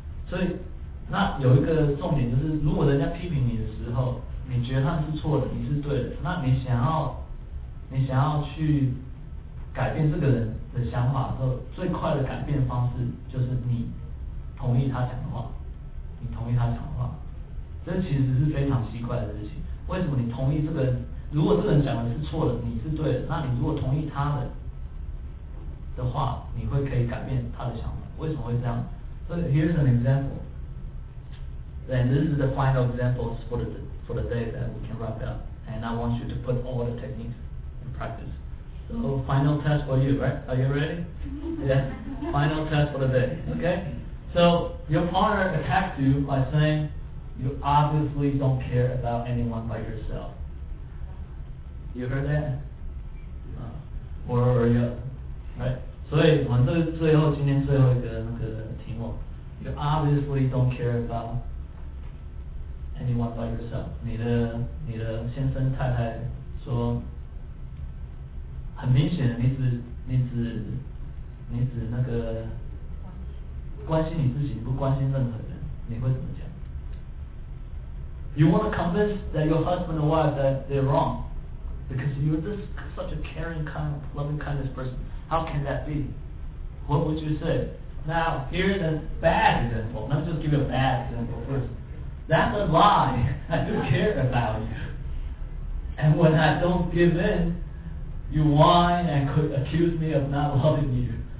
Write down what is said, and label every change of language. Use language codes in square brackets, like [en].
[zh] 所以那有一个重点，就是如果人家批评你的时候，你觉得他是错的，你是对的，那你想要去改变这个人的想法的时候，最快的改变方式就是你同意他讲的话。你同意他讲的话，这其实是非常奇怪的事情。为什么你同意这个人？如果这个人讲的是错的，你是对的，那你如果同意他的话，你会可以改变他的想法。为什么会这样？所以 [en] here's an example. And this is the final examples for the day that we can wrap up. And I want you to put all the techniques in practice. So final test for you, right? Are you ready? Yeah. Final test for the day. Okay. So your partner attacks you by saying you obviously don't care about anyone but yourself. You heard that? Or you, right? [zh] 所以我们最后今天最后一个那个题目 [en] You obviously don't care about anyone but yourself. [zh] 你的先生太太说很明显你只那个关心你自己，不关心任何人，你会怎么讲？ [en] You want to convince that your husband or wife that they're wrong because you're this such a caring, kind, loving, kindest person. How can that be? What would you say? Now, here's a bad example. Let me just give you a bad example first. That's a lie. I do care about you. And when I don't give in, you whine and could accuse me of not loving you.